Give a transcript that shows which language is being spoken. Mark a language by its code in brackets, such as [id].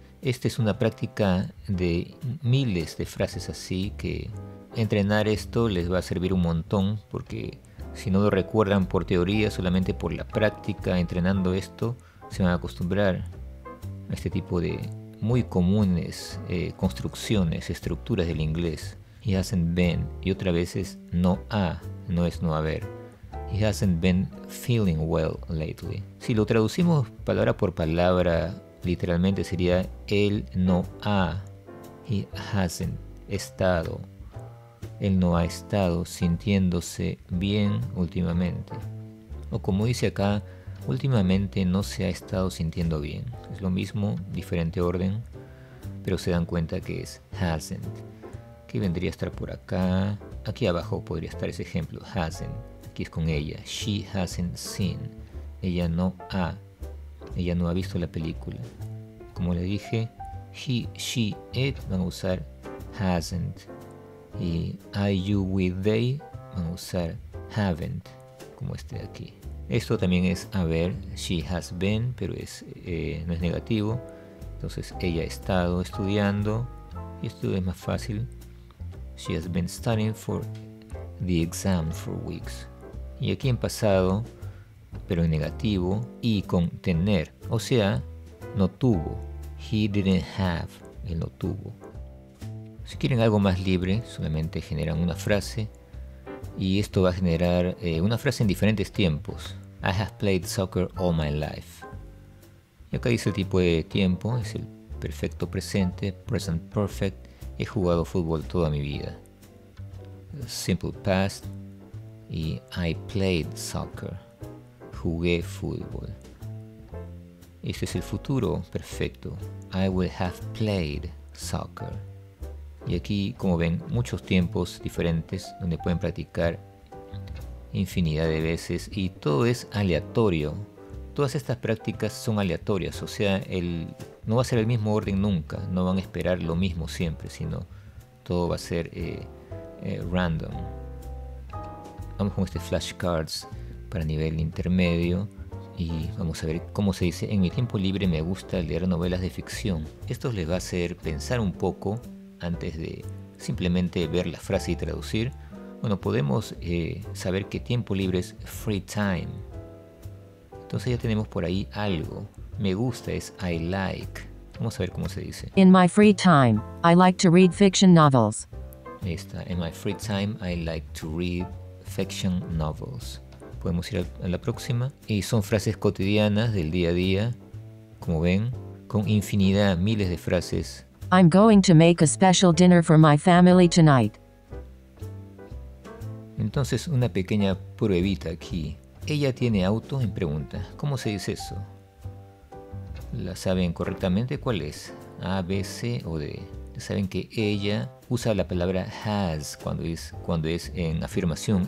[es] Esta es una práctica de miles de frases así que entrenar esto les va a servir un montón, porque si no lo recuerdan por teoría, solamente por la práctica entrenando esto, se van a acostumbrar a este tipo de muy comunes construcciones, estructuras del inglés. [en] He hasn't been, [es] y otra vez es no ha, no es no haber. [en] He hasn't been feeling well lately. [es] Si lo traducimos palabra por palabra, literalmente sería él no ha, [en] he hasn't [es] estado. Él no ha estado sintiéndose bien últimamente. O como dice acá, últimamente no se ha estado sintiendo bien. Es lo mismo, diferente orden, pero se dan cuenta que es hasn't. Aquí vendría a estar por acá. Aquí abajo podría estar ese ejemplo. [en] Hasn't. [es] Aquí es con ella. [en] She hasn't seen. [es] Ella no ha. Ella no ha visto la película. Como le dije, [en] he, she, it [es] van a usar hasn't. Y [en] I, you, we, they [es] van a usar haven't. Como este de aquí. Esto también es haber. [en] She has been. [es] Pero es, no es negativo. Entonces ella ha estado estudiando. Y esto es más fácil. [en] She has been studying for the exam for weeks. [es] Y aquí en pasado, pero en negativo, y con tener. O sea, no tuvo. [en] He didn't have. [es] Él no tuvo. Si quieren algo más libre, solamente generan una frase. Y esto va a generar una frase en diferentes tiempos. [en] I have played soccer all my life. [es] Y acá dice el tipo de tiempo. Es el perfecto presente. [en] Present perfect. [es] He jugado fútbol toda mi vida. [en] Simple past. [es] Y [en] I played soccer. [es] Jugué fútbol. Este es el futuro perfecto. [en] I will have played soccer. [es] Y aquí, como ven, muchos tiempos diferentes donde pueden practicar infinidad de veces. Y todo es aleatorio. Todas estas prácticas son aleatorias, o sea, no va a ser el mismo orden nunca, no van a esperar lo mismo siempre, sino todo va a ser random. Vamos con este flashcards para nivel intermedio y vamos a ver cómo se dice. En mi tiempo libre me gusta leer novelas de ficción. Esto les va a hacer pensar un poco antes de simplemente ver la frase y traducir. Bueno, podemos saber que tiempo libre es free time. Entonces ya tenemos por ahí algo. Me gusta es [en] I like. [es] Vamos a ver cómo se dice. [en] In my free time, I like to read fiction novels. [es] Ahí está. [en] In my free time, I like to read fiction novels. [es] Podemos ir a la próxima. Y son frases cotidianas del día a día, como ven, con infinidad, miles de frases. [en] I'm going to make a special dinner for my family tonight. [es] Entonces una pequeña pruebita aquí. Ella tiene auto en pregunta. ¿Cómo se dice eso? ¿La saben correctamente? ¿Cuál es? A, B, C o D. ¿Saben que ella usa la palabra has cuando es en afirmación?